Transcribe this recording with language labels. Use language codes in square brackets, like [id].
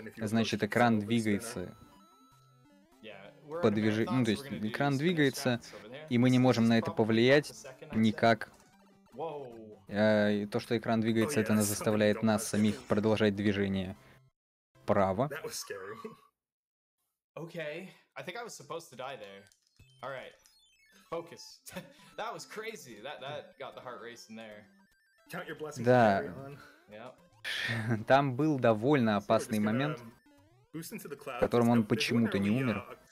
[ru] Значит, экран двигается. Ну, то есть экран двигается, и мы не можем на это повлиять никак. То, что экран двигается, это нас заставляет нас самих продолжать движение вправо. [en] Okay, I think I was supposed to die there. All right, focus. That was crazy. That got the heart racing there. Count your blessings. [ru] Да. Там был довольно опасный момент, в котором он почему-то не умер.